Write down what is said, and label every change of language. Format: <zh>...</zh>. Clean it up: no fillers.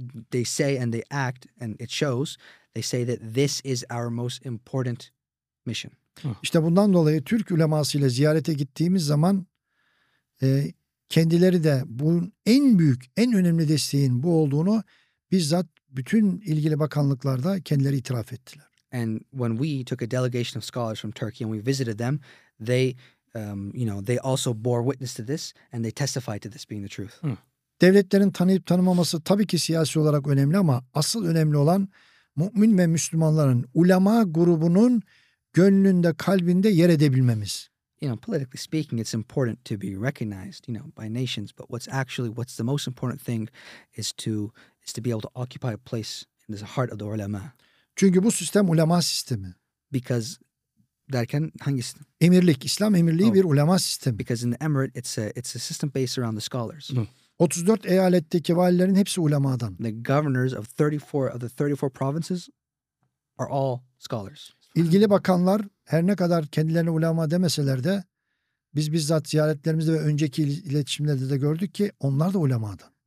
<en>They say and they act and it shows, they say that this is our most important mission.</en> <tr>İşte bundan dolayı Türk uleması ile ziyarete gittiğimiz zaman kendileri de bunun en büyük, en önemli desteğin bu olduğunu bizzat bütün ilgili bakanlıklarda kendileri itiraf ettiler.</tr> <en>And when we took a delegation of scholars from Turkey and we visited them, they they also bore witness to this and they testified to this being the truth.</en> <tr>Devletlerin tanıyıp tanımaması tabii ki siyasi olarak önemli ama asıl önemli olan mümin ve Müslümanların ulema grubunun gönlünde, kalbinde yer edebilmemiz.</tr> <en>You know, politically speaking, it's important to be recognized, you know, by nations. But what's the most important thing is to be able to occupy a place in the heart of the ulema.</en> <tr>Çünkü bu sistem ulema sistemi. Because derken hangi sistem? Emirlik, İslam emirliği bir ulema sistemi.</tr> <en>Because in the emirate, it's a system based around the scholars.</en> <tr>34 eyaletteki valilerin hepsi ulemadan.</tr> <en>The governors of 34 of the 34 provinces are all scholars.</en> <tr>İlgili bakanlar her ne kadar kendilerine ulema demeseler de biz bizzat ziyaretlerimizde ve önceki iletişimlerde de gördük ki onlar da ulemadan.</tr>